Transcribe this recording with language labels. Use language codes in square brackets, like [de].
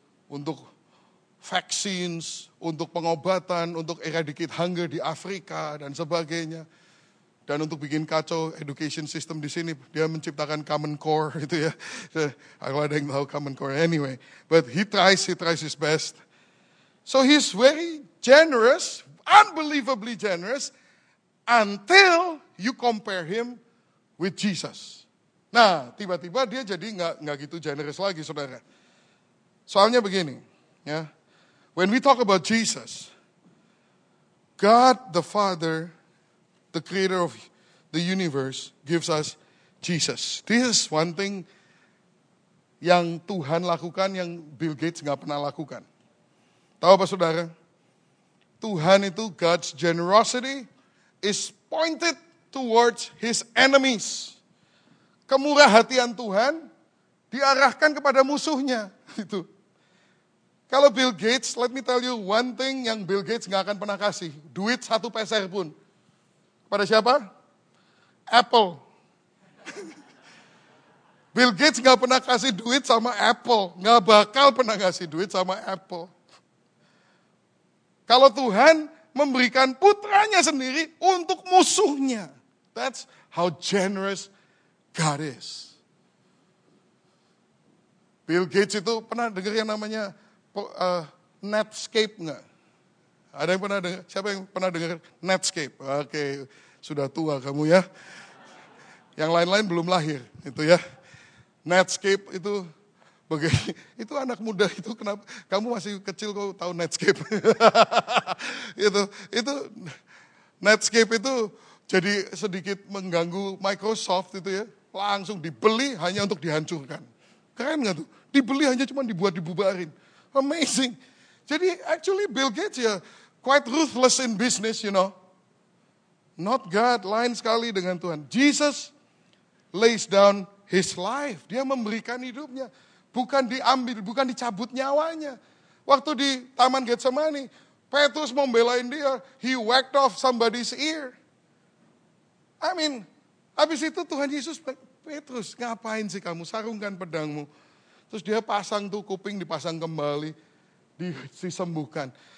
[id] Untuk vaccines, untuk pengobatan, untuk [en] eradicate hunger [id] di Afrika dan sebagainya. Dan untuk bikin kacau education system di sini, dia menciptakan Common Core gitu ya. Aku ada yang tahu Common Core anyway. [en] But he tries his best. So he's very generous, unbelievably generous, until you compare him with Jesus. [id] Nah, tiba-tiba dia jadi nggak gitu generous lagi, saudara. Soalnya begini, ya. [en] When we talk about Jesus, God the Father, the creator of the universe, gives us Jesus. This is one thing [id] yang Tuhan lakukan yang Bill Gates nggak pernah lakukan. Tahu apa, saudara? Tuhan itu, [en] God's generosity is pointed towards his enemies. [id] Kemurah hatian Tuhan diarahkan kepada musuhnya. Itu. Kalau Bill Gates, [en] let me tell you one thing [id] yang Bill Gates gak akan pernah kasih. Duit satu peser pun. Kepada siapa? Apple. Bill Gates gak pernah kasih duit sama Apple. Gak bakal pernah kasih duit sama Apple. Kalau Tuhan memberikan putranya sendiri untuk musuhnya. [en] That's how generous God is. [id] Bill Gates itu pernah dengar yang namanya Netscape gak? Ada yang pernah dengar? Siapa yang pernah dengar Netscape? Oke, sudah tua kamu ya. Yang lain-lain belum lahir. Itu ya. Netscape itu. Itu anak muda itu kenapa kamu masih kecil kok tahu Netscape? itu Netscape itu jadi sedikit mengganggu Microsoft itu ya, langsung dibeli hanya untuk dihancurkan. Keren nggak tuh? Dibeli hanya cuma dibuat dibubarin. Amazing. Jadi [en] actually Bill Gates ya quite ruthless in business, you know. Not God, [id] lain sekali dengan Tuhan. [en] Jesus lays down his life. [id] Dia memberikan hidupnya. Bukan diambil, bukan dicabut nyawanya. Waktu di Taman Getsemani, Petrus membelain dia. [en] He whacked off somebody's ear. [id] I mean, habis itu Tuhan Yesus, Petrus, ngapain sih kamu? Sarungkan pedangmu. Terus dia pasang tuh kuping, dipasang kembali, disembuhkan.